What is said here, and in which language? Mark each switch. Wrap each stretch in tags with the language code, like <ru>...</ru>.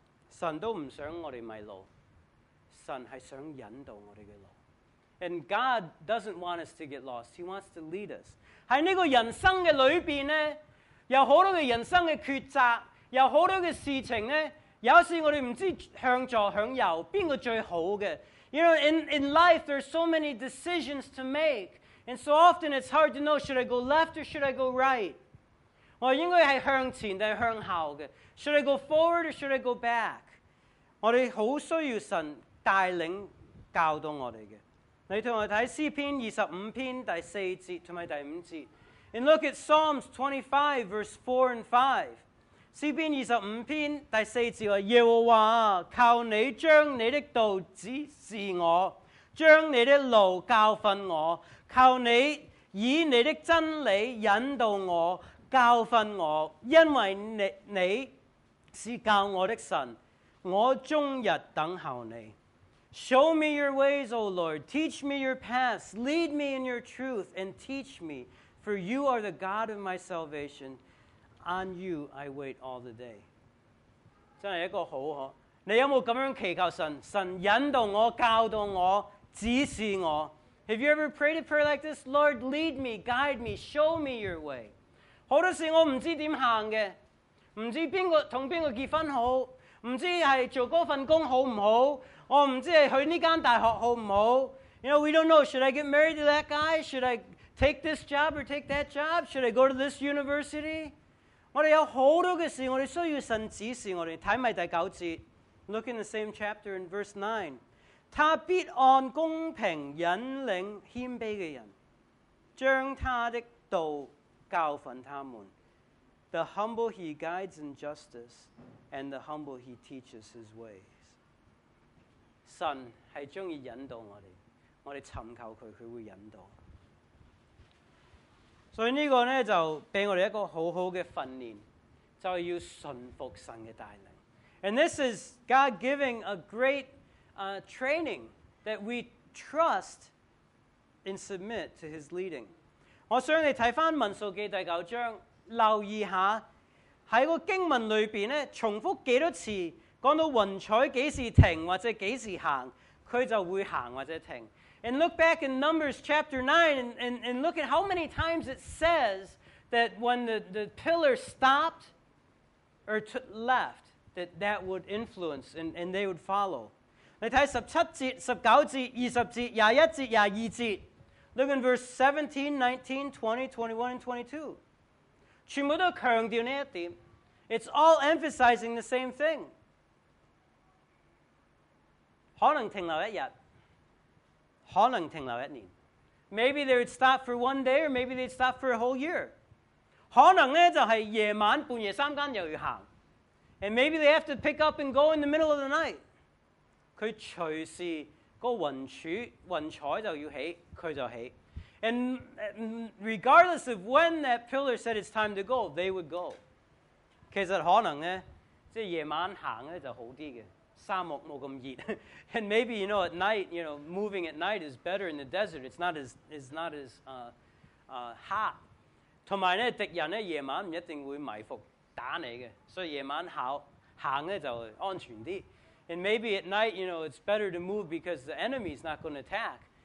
<yue>神都唔想我哋迷路，神係想引導我哋嘅路。</yue> <en>And God doesn't want us to get lost. He wants to lead us.</en> <yue>喺呢個人生嘅裏邊咧。有好多嘅人生嘅抉择，有好多嘅事情咧，有时我哋唔知向左向右边个最好嘅。</yue> <en>You know, in life there are so many decisions to make, and so often it's hard to know should I go left or should I go right.</en> <yue>我应该系向前定系向后嘅 ？</yue> <en>Should I go forward or should I go back？</en> <yue>我哋好需要神带领教导我哋嘅。你同我睇诗篇25篇第四节同埋第五节。</yue> <en>And look at Psalms 25, verse 4 and 5.</en> <yue>詩篇25篇第四節話：耶和華，靠你將你的道指示我，將你的路教訓我，靠你以你的真理引導我，教訓我，因為你是教我的神，我終日等候你。</yue> <en>Show me your ways, O Lord. Teach me your paths. Lead me in your truth and teach me. For you are the God of my salvation. On you I wait all the day.</en> <yue>真係一個好呵！你有冇咁樣祈求神？神引導我、教導我、指示我。</yue> <en>Have you ever prayed a prayer like this? Lord, lead me, guide me, show me your way.</en> <yue>好多時我唔知點行嘅，唔知邊個同邊個結婚好，唔知係做嗰份工好唔好，我唔知係去呢間大學好唔好。</yue> <en>You know, we don't know. Should I get married to that guy? Should I? Take this job or take that job? Should I go to this university?</en> <yue>我哋有好多嘅事，我哋需要神指示我哋。睇米第九節，</yue> <en>Look in the same chapter in verse 9.</en> <yue>他必按公平引领谦卑的人，将他的道教训他们。</yue> <en>The humble he guides in justice, and the humble he teaches his ways.</en> <yue>神是喜欢引导我们，我们寻求他，他会引导。所以这个呢就给我们一个很好的训练，就要顺服神的带领。</yue> <en>And this is God giving a great training that we trust and submit to his leading.</en> <yue>我想你看回民数记第九章，留意一下在个经文里面呢重复几多次讲到云彩几时停或者几时行，他就会行或者停。</yue> <en>And look back in Numbers chapter 9 and look at how many times it says that when the pillar stopped or left, that would influence and they would follow.</en> <yue>你看十七节、十九节、二十节、廿一节、廿二节。</yue> <en>Look in verse 17, 19, 20, 21, and 22.</en> <yue>全部都强调呢一点。</yue> <en>It's all emphasizing the same thing.</en> <yue>可能停留一日，可能停留一年。</yue> <en>Maybe they would stop for one day, or maybe they'd stop for a whole year.</en> <yue>可能呢就是夜晚半夜三更又要行。</yue> <en>And maybe they have to pick up and go in the middle of the night.</en> <yue>他随时个云柱云彩就要起，他就起。</yue> <en>And regardless of when that pillar said it's time to go, they would go.</en> <yue>其实可能呢，即系夜晚行咧就好啲嘅，沙漠冇咁热。</yue> <en>And maybe you know at night, you know, moving at night is better in the desert. It's not as hot.</en> <yue>同埋咧，敌人咧夜晚唔一定会埋伏。打你的，所以夜晚行就安全啲。</yue> <en>And maybe at night, you know, it's better to move because the enemy is not going to attack.</en>